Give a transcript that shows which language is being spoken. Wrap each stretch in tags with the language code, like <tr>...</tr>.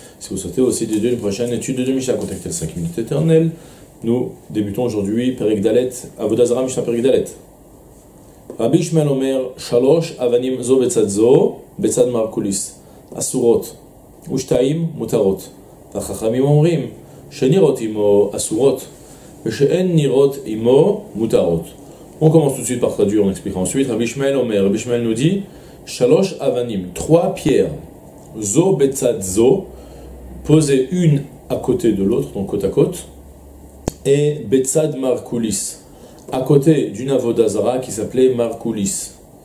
<fr>Si vous souhaitez aussi de Dieu une prochaine étude de Mishnah, contactez le 5 minutes éternelles. Nous débutons aujourd'hui, Perek Dalet, Avoda Zara, Mishnah Perek Dalet.</fr> <he>Rabbi Shmuel Omer, Shalosh, Avanim, Zo, Betzad, Zo. בצד מרקוליס, אסורות, ושתיים מותרות, והחכמים אומרים שנירות עמו אסורות, ושאין נירות עמו מותרות.</he> <fr>On commence tout de suite par traduire, on explique ensuite. Rabbi Shmuel Omer, Rabbi Shmuel nous dit,</fr> <he>שלוש אבנים,</he> <fr>trois pierres,</fr> <he>זו בצד זו,</he> <fr>posées une à côté de l'autre, donc côte à côte, et</fr> <he>בצד מרקוליס,</he> <fr>à côté d'une avodazara qui s'appelait מרקוליס.</fr>